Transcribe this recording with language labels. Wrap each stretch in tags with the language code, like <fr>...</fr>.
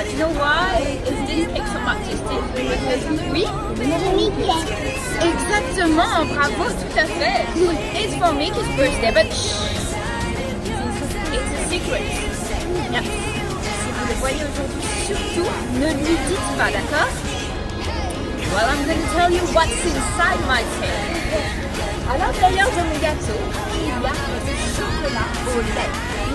<en>You know why? Is this cake so majestic?</en> <fr>Oui. Exactement. Bravo. Tout à fait.</fr> <en>It's for Mickey's birthday, but shh. It's a secret. Yeah.</en> <fr>Si vous le voyez aujourd'hui, surtout ne lui dites pas, d'accord?</fr> <en>Well, I'm going to tell you what's inside my cake.</en> <fr>À l'intérieur de mon gâteau, il y a du chocolat au lait.</fr>